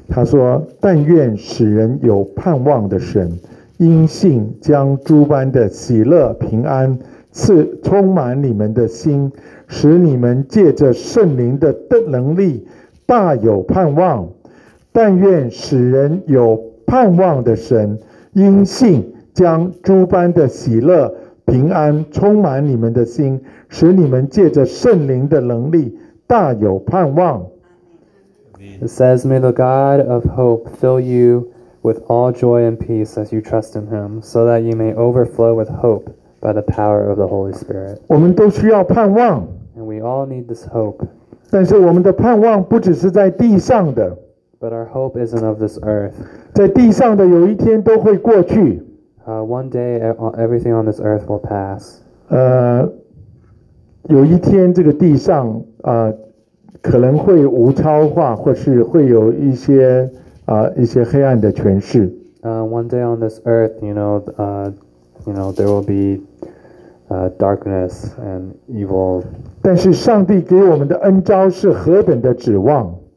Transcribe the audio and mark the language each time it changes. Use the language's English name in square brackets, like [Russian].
[Chinese] 他说，但愿使人有盼望的神，因信将诸般的喜乐平安赐充满你们的心，使你们借着圣灵的能力大有盼望。但愿使人有盼望的神，因信将诸般的喜乐平安充满你们的心，使你们借着圣灵的能力大有盼望。 [English] It says, may the God of hope fill you with all joy and peace as you trust in him, so that you may overflow with hope by the power of the Holy Spirit. [Chinese] 我们都需要盼望。 [English] And we all need this hope. [Chinese] 但是我们的盼望不只是在地上的。 [English] But our hope isn't of this earth. [Chinese] 在地上的有一天都会过去。 [English] One day everything on this earth will pass. [Chinese] 有一天这个地上可能会无超化，或是会有一些黑暗的权势。 [English] One day on this earth, there will be darkness and evil. [Chinese] 但是上帝给我们的恩召是何等的指望。